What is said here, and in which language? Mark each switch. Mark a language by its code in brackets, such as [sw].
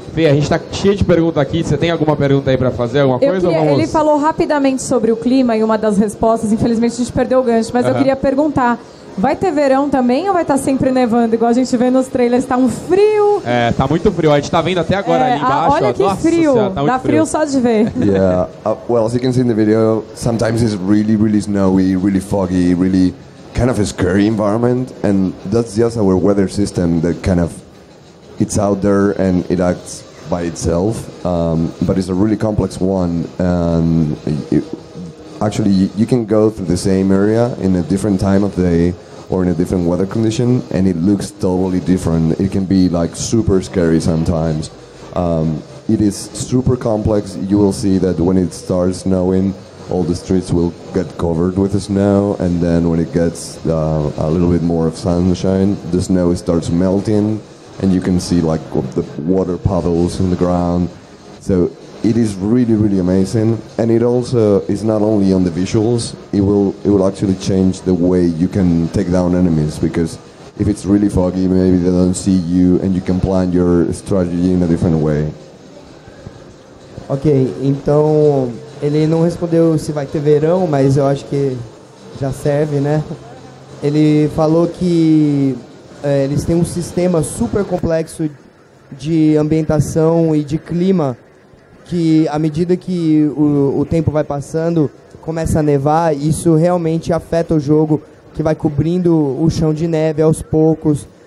[pt] Fê, a gente tá cheio de perguntas aqui, você tem alguma pergunta aí pra fazer, alguma coisa? Queria, ele falou rapidamente sobre o clima em uma das respostas, infelizmente a gente perdeu o gancho, mas eu queria perguntar, vai ter verão também ou vai estar sempre nevando? Igual a gente vê nos trailers, tá um frio. É, tá muito frio. A gente tá vendo até agora ali embaixo. Olha que frio. Dá frio só de ver. [en] Yeah. Well, as you can see in the video, sometimes it's really, really snowy, really foggy, really kind of a scary environment. And that's just our weather system that kind of, it's out there and it acts by itself. But it's a really complex one. And actually, you can go through the same area in a different time of day or in a different weather condition, and it looks totally different. It can be like super scary sometimes. It is super complex. You will see that when it starts snowing, all the streets will get covered with the snow, and then when it gets a little bit more of sunshine, the snow starts melting, and you can see like the water puddles in the ground. So it is really, really amazing, and it also is not only on the visuals. It will actually change the way you can take down enemies, because if it's really foggy, maybe they don't see you, and you can plan your strategy in a different way. [pt] Ok, então ele não respondeu se vai ter verão, mas eu acho que já serve, né? Ele falou que eles têm um sistema super complexo de ambientação e de clima, que à medida que o tempo vai passando, começa a nevar, isso realmente afeta o jogo, que vai cobrindo o chão de neve aos poucos.